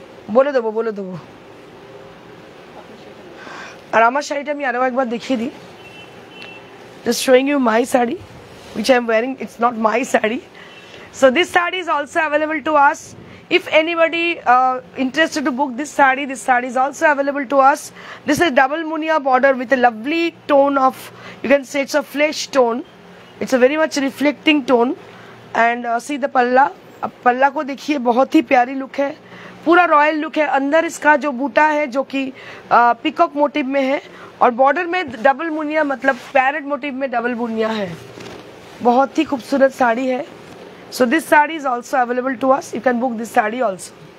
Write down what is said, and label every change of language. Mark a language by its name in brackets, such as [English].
[Hindi] बोले दो, बोले दो. रामा साड़ी आरो एक बार देखिए दी. [English] Just showing you my sari which I am wearing. It's not my sari. So this sari is also available to us. If anybody interested to book this sari is also available to us. This is double munia border with a lovely tone of, you can say it's a flesh tone. It's a very much reflecting tone. And see the palla. [Hindi] Palla ko dekhiye, bahut hi pyari look hai. पूरा royal look है। अंदर इसका जो बूटा है जो कि peacock motive में है, और बॉर्डर में डबल बुनिया मतलब पैरेट मोटिव में डबल बुनिया है। बहुत ही खूबसूरत साड़ी है। [English] So this sari is also available to us, you can book this sari also.